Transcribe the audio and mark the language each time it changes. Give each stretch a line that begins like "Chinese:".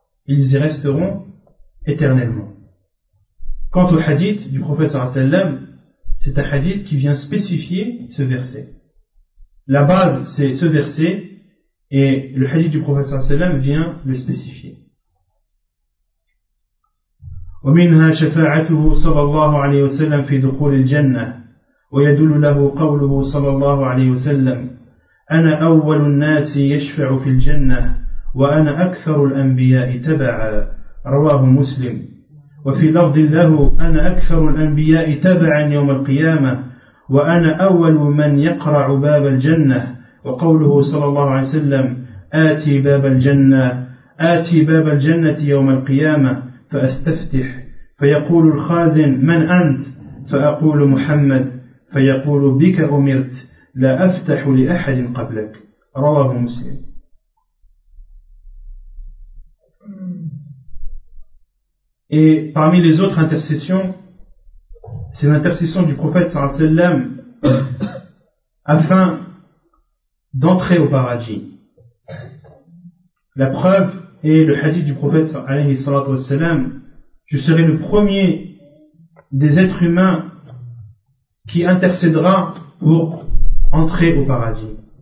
French: Ils y resteront éternellement. Quant au hadith du prophète sallallahu alayhi wa sallam, c'est un hadith qui vient spécifier ce verset. La base, c'est ce verset, et le hadith du prophète sallallahu alayhi wa sallam vient le spécifier.
Arabic: ومنها شفاعته صلى الله عليه وسلم في دخول الجنة ويدل له قوله صلى الله عليه وسلم أنا أول الناس يشفع في الجنة وأنا أكثر الأنبياء تبعا رواه مسلم. وفي لفظ له أنا أكثر الأنبياء تبعا يوم القيامة وأنا أول من يقرع باب الجنة وقوله صلى الله عليه وسلم آتي باب الجنة آتي باب الجنة يوم القيامة فأستفتح فيقول الخازن من أنت فأقول محمد فيقول بك أمرت لا أفتح لأحد قبلك رواه مسلم.
French: Et parmi les autres intercessions, c'est l'intercession du prophète sallallahu alayhi wa sallam afin d'entrer au paradis. La preuve est le hadith du prophète sallallahu alayhi wa sallam, je serai le premier des êtres humains qui intercédera pour entrer au paradis.